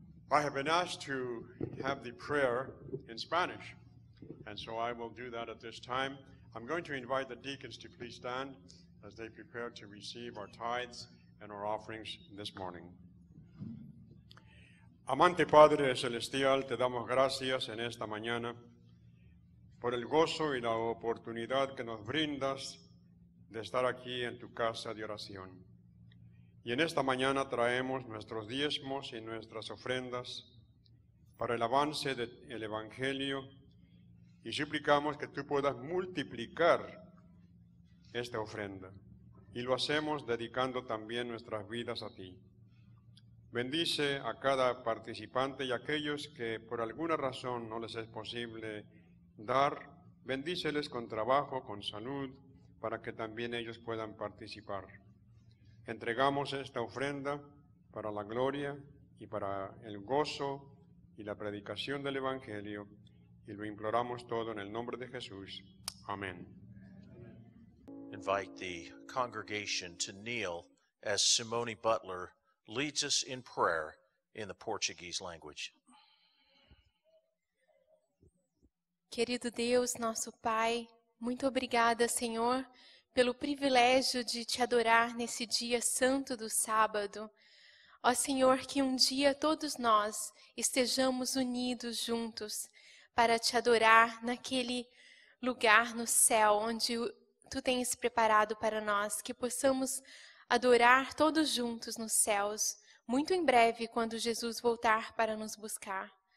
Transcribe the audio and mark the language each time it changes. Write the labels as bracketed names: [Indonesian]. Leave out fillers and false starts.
[English] I have been asked to have the prayer in Spanish, and so I will do that at this time. I'm going to invite the deacons to please stand as they prepare to receive our tithes and our offerings this morning. [Spanish] Amante Padre Celestial, te damos gracias en esta mañana por el gozo y la oportunidad que nos brindas de estar aquí en tu casa de oración. Y en esta mañana traemos nuestros diezmos y nuestras ofrendas para el avance del Evangelio y suplicamos que tú puedas multiplicar esta ofrenda. Y lo hacemos dedicando también nuestras vidas a ti. Bendice a cada participante y a aquellos que por alguna razón no les es posible dar, bendíceles con trabajo, con salud, para que también ellos puedan participar. Entregamos esta ofrenda para la gloria y para el gozo y la predicación del Evangelio y lo imploramos todo en el nombre de Jesús. Amén. [English] Invite the congregation to kneel as Simone Butler leads us in prayer in the Portuguese language. [Portuguese] Querido Deus, nosso Pai, muito obrigada, Senhor, pelo privilégio de te adorar nesse dia santo do sábado. Ó Senhor, que dia todos nós estejamos unidos juntos para te adorar naquele lugar no céu onde tu tens preparado para nós, que possamos adorar todos juntos nos céus, muito em breve, quando Jesus voltar para nos buscar.